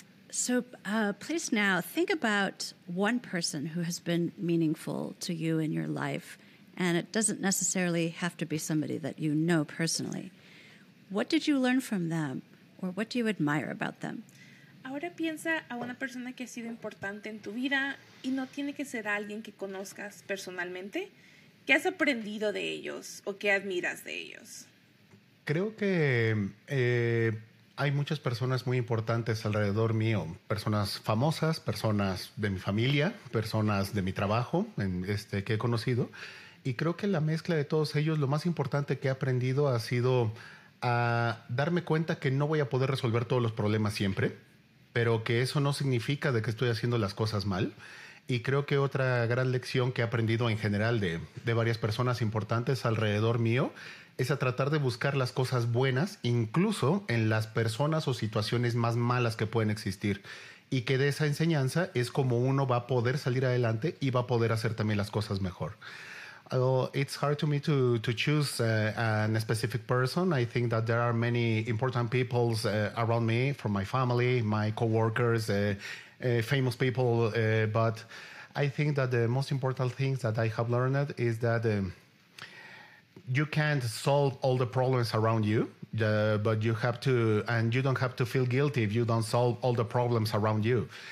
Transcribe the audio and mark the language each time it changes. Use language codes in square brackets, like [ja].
[en] So please now think about one person who has been meaningful to you in your life, and it doesn't necessarily have to be somebody that you know personally. What did you learn from them, or what do you admire about them? [es] Ahora piensa a una persona que ha sido importante en tu vida, y no tiene que ser alguien que conozcas personalmente. ¿Qué has aprendido de ellos o qué admiras de ellos? Creo que hay muchas personas muy importantes alrededor mío. Personas famosas, personas de mi familia, personas de mi trabajo que he conocido. Y creo que la mezcla de todos ellos, lo más importante que he aprendido ha sido a darme cuenta que no voy a poder resolver todos los problemas siempre, pero que eso no significa de que estoy haciendo las cosas mal. Y creo que otra gran lección que he aprendido en general de varias personas importantes alrededor mío es a tratar de buscar las cosas buenas, incluso en las personas o situaciones más malas que pueden existir. Y que de esa enseñanza es como uno va a poder salir adelante y va a poder hacer también las cosas mejor. [en] It's hard to me to choose a specific person. I think that there are many important people around me, from my family, my coworkers, famous people. But I think that the most important thing that I have learned is that you can't solve all the problems around you, but you have to, and you don't have to feel guilty if you don't solve all the problems around you.